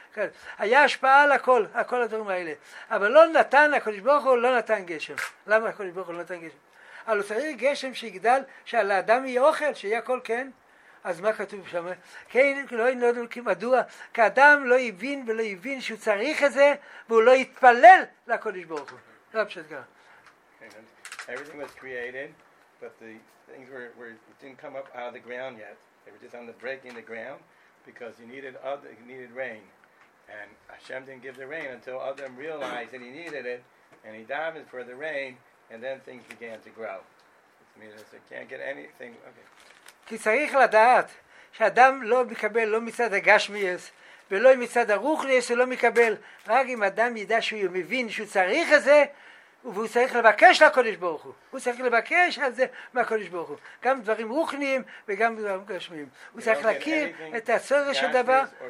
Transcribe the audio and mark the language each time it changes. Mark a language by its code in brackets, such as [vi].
[he] כן, היה השפעה על הכל, הכל הדברים האלה, אבל לא נתן הקדוש ברוך הוא, לא נתן גשם. למה הקדוש ברוך הוא לא נתן גשם? אבל הוא צריך גשם שיגדל, שעל האדם יהיה אוכל, שיהיה הכל, כן? אז מה כתוב שם? כן, לא יודע מדוע, כי אדם לא הבין ולא הבין שהוא צריך את זה, והוא לא יתפלל לקדוש ברוך הוא. לא פשוט ככה. [en] Everything was created, but the things were didn't come up out of the ground yet. They were just on the breaking the ground because you needed other, you needed rain, and Hashem didn't give the rain until Adam realized that he needed it, and he davened for the rain, and then things began to grow. I mean, they can't get anything. Okay. [he] כי צריך לדעת שאדם לא מקבל לא מצד הגשמיות ולא מצד הרוחניות, לא מקבל. רק אם אדם ידע שהוא מבין שהוא צריך את זה. והוא צריך לבקש לקדוש ברוך הוא. הוא צריך לבקש על זה מהקדוש ברוך הוא. גם דברים רוחניים וגם דברים גשמיים. הוא צריך להכיר את הצורך של דבר.